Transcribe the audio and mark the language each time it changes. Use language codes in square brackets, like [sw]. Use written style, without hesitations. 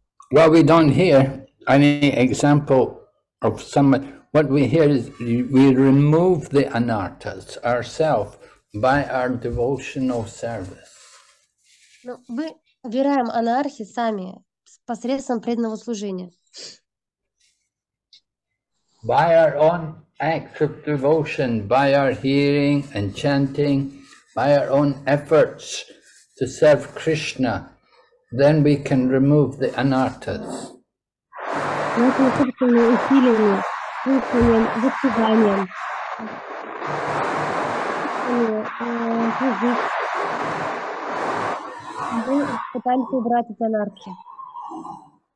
[en] Well, we don't hear any example of someone. What we hear is we remove the anarthas ourselves by our devotional service. [ru] Но мы убираем анархи сами посредством преданного служения. [en] By our own acts of devotion, by our hearing and chanting, by our own efforts to serve Krishna, then we can remove the anarthas. [ru] Нашими собственными усилиями, чувствованием, достижением, мы пытаемся убрать эти анархи.